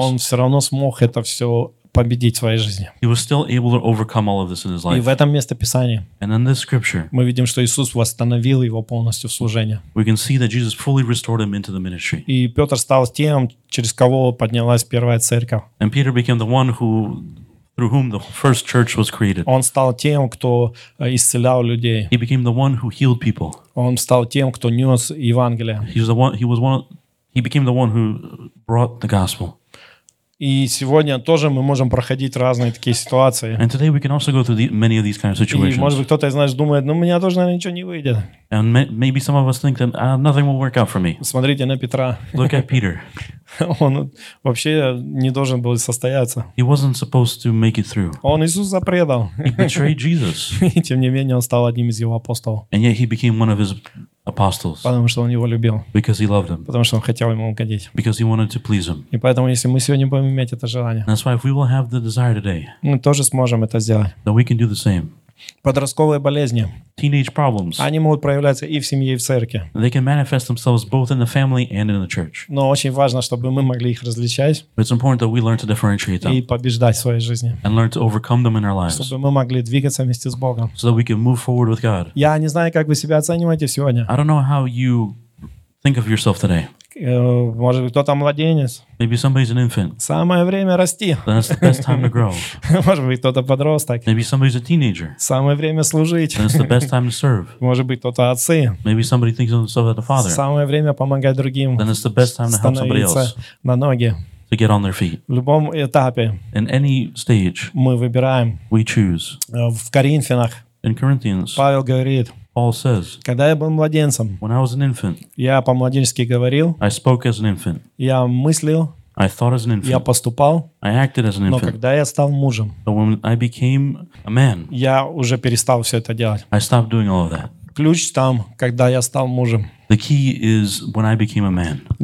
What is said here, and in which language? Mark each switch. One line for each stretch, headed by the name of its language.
Russian: Он все равно смог это все победить в своей жизни.
English: He was still able to overcome all of this in his life.
Russian: И в этом месте Писания.
English: And in this scripture.
Russian: Мы видим, что Иисус восстановил его полностью в служение.
English: We can see that Jesus fully restored him into the ministry.
Russian: И Петр стал тем, через кого поднялась первая церковь.
English: And Peter became the one who, through whom the first church was created.
Russian: Он стал тем, кто исцелял людей.
English: He became the one who healed people.
Russian: Он стал тем, кто нес Евангелие.
English: He became the one who brought the gospel.
Russian: И сегодня тоже мы можем проходить разные такие ситуации.
English: And today we can also go through the, many of these kind of situations.
Russian: И может быть кто-то из нас думает, ну у меня тоже, наверное, ничего не выйдет.
English: And maybe some of us think that nothing will work out for me.
Russian: Смотрите на Петра.
English: Look at Peter.
Russian: Он вообще не должен был состояться.
English: He wasn't supposed to make it through.
Russian: Он Иисуса предал.
English: He betrayed Jesus.
Russian: И тем не менее он стал одним из его апостолов.
English: And yet he became one of his apostles.
Russian: Потому что он его любил.
English: Because he loved him.
Russian: Потому что он хотел ему угодить.
English: Because he wanted to please him.
Russian: И поэтому, если мы сегодня будем иметь это желание,
English: that's why if we will have the desire today,
Russian: мы тоже сможем это сделать.
English: Then we can do the same.
Russian: Подростковые болезни.
English: Teenage problems.
Russian: Они могут проявляться и в семье, и в церкви.
English: They can manifest themselves both in the family and in the church.
Russian: Но очень важно, чтобы мы могли их различать.
English: But it's important that we learn to differentiate them.
Russian: И побеждать в своей жизни.
English: And learn to overcome them in our lives.
Russian: Чтобы мы могли двигаться вместе с Богом.
English: So that we can move forward with God.
Russian: Я не знаю, как вы себя оцениваете сегодня.
English: I don't know how you think of yourself today.
Russian: Может быть, кто-то младенец.
English: Maybe somebody's an infant.
Russian: Самое время расти.
English: Then it's the best time to grow.
Russian: Может быть, кто-то подросток.
English: Maybe somebody's a teenager.
Russian: Самое время служить.
English: Then it's the best time to serve.
Russian: Может быть, кто-то отцы.
English: Maybe somebody thinks of themselves as a father.
Russian: Самое время помогать другим.
English: Then it's the best time to help somebody else.
Russian: Становиться на ноги.
English: To get on their feet.
Russian: В любом этапе.
English: In any stage.
Russian: Мы выбираем.
English: We choose.
Russian: В Коринфянах.
English: In Corinthians.
Russian: Павел говорит.
English: Paul says,
Russian: когда я был младенцем,
English: when I was an infant,
Russian: я по-младенчески говорил,
English: I spoke as an infant,
Russian: я мыслил,
English: I thought as an infant,
Russian: я поступал,
English: I acted as an infant,
Russian: но когда я стал мужем,
English: but when I became a man,
Russian: я уже перестал все это делать.
English: I stopped doing all of that.
Russian: Ключ там, когда я стал мужем.
English: The key is when I became a man.